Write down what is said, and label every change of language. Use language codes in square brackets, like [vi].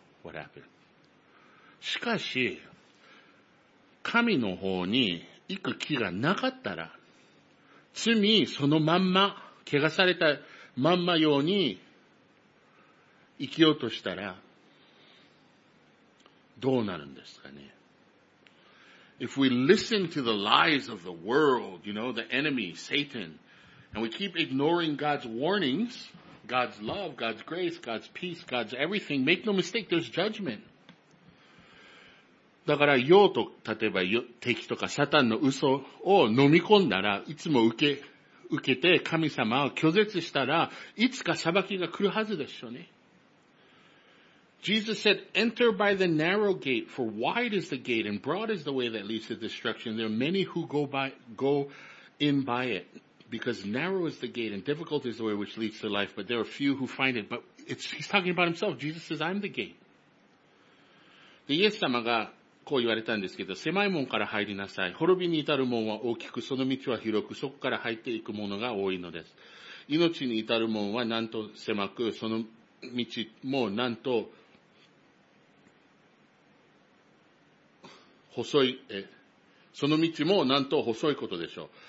[en] What happened? [ja] しかし、神の方に行く気がなかったら、罪そのまんま、汚されたまんまように生きようとしたら、どうなるんですかね。 [en] If we listen to the lies of the world, you know, the enemy, Satan, and we keep ignoring God's warnings, God's love, God's grace, God's peace, God's everything, make no mistake, there's judgment. [ja] だから、用と、例えば、敵とか、サタンの嘘を飲み込んだら、いつも受けて、神様を拒絶したら、いつか裁きが来るはずでしょうね。 [en] Jesus said, enter by the narrow gate, for wide is the gate, and broad is the way that leads to destruction. There are many who go in by it, because narrow is the gate, and difficult is the way which leads to life, but there are few who find it. He's talking about himself. Jesus says, I'm the gate. [ja] で、イエス様がこう言われたんですけど、狭い門から入りなさい。滅びに至る門は大きく、その道は広く、そこから入っていくものが多いのです。命に至る門はなんと狭く、その道もなんと細い、その道もなんと細いことでしょう。